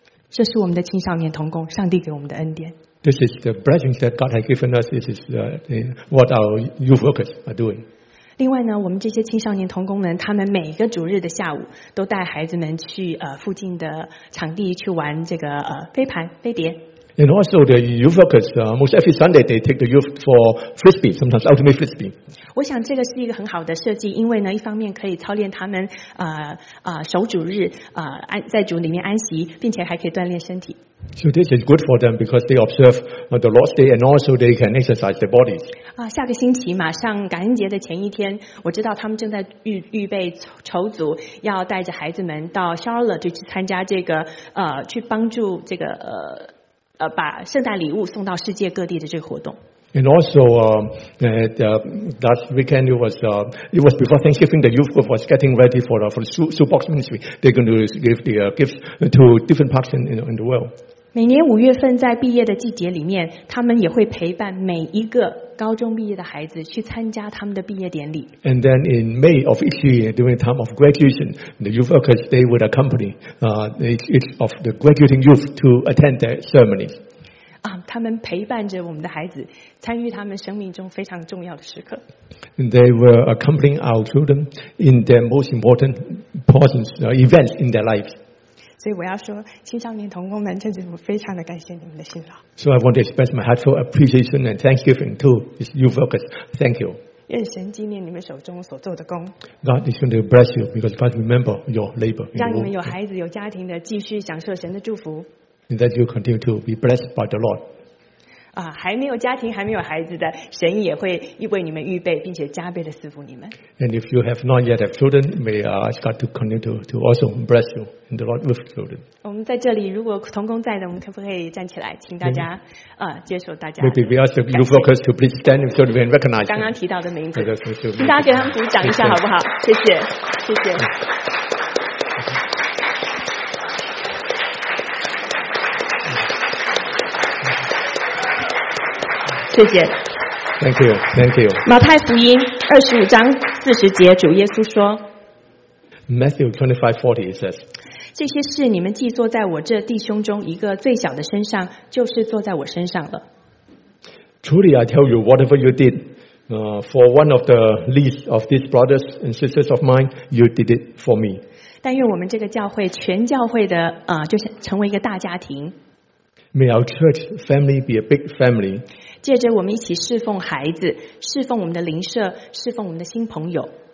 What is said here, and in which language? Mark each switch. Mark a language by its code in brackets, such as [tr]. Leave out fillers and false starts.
[zh] 这是我们的青少年童工，上帝给我们的恩典。 [en] This is the blessings that God has given us. This is what our youth workers are doing. [zh] 另外呢，我们这些青少年同工们，他们每个主日的下午都带孩子们去附近的场地去玩这个飞盘、飞碟。 [en] And also the youth workers, most every Sunday they take the youth for frisbee, sometimes ultimate frisbee. [zh] 我想这个是一个很好的设计，因为呢，一方面可以操练他们守主日在主里面安息，并且还可以锻炼身体。 [en] So this is good for them because they observe the Lord's Day and also they can exercise their bodies. [zh] 下个星期马上感恩节的前一天，我知道他们正在预备筹组，要带着孩子们到 Charlotte 去参加这个去帮助这个把圣诞礼物送到世界各地的这个活动。 [en] And also, last weekend it was before Thanksgiving, the youth group was getting ready for the shoebox ministry. They're going to give the gifts to different parts in the world. [zh] 每年五月份在毕业的季节里面，他们也会陪伴每一个高中毕业的孩子去参加他们的毕业典礼。 [en] And then in May of each year, during the time of graduation, the youth workers they would accompany each of the graduating youth to attend their ceremonies. [zh] 他们陪伴着我们的孩子，参与他们生命中非常重要的时刻。 [en] And they were accompanying our children in their most important portions, events in their lives. [zh] 所以我要说，青少年同工们，真的我非常的感谢你们的辛劳。 [en] So I want to express my heartfelt appreciation and thanksgiving to you, focus. Thank you. [zh] 愿神纪念你们手中所做的工。 [en] God is going to bless you because God remember your labor. [zh] 让你们有孩子、有家庭的继续享受神的祝福。 [en] And that you continue to be blessed by the Lord. [zh] 还没有家庭、还没有孩子的，神也会为你们预备，并且加倍的赐福你们。 [en] And if you have not yet have children, may ask God to continue to also bless you. And the Lord with children. [zh] 我们在这里，如果同工在的，我们可不可以站起来，请大家接受大家。 [en] Maybe we ask the youth workers to please stand so we can recognize. [zh] 刚刚提到的名字，请大家给他们鼓掌一下，好不好？谢谢，谢谢。谢谢。 [en] Thank you, thank you. [zh] 马太福音25:40，主耶稣说。 [en] Matthew 25:40 it says. [zh] 这些事你们既坐在我这弟兄中一个最小的身上，就是坐在我身上了。 [en] Truly I tell you, whatever you did, for one of the least of these brothers and sisters of mine, you did it for me. [zh] 但愿我们这个教会全教会的就成为一个大家庭。 [en] May our church family be a big family. [zh] 借着我们一起侍奉孩子，侍奉我们的邻舍，侍奉我们的新朋友。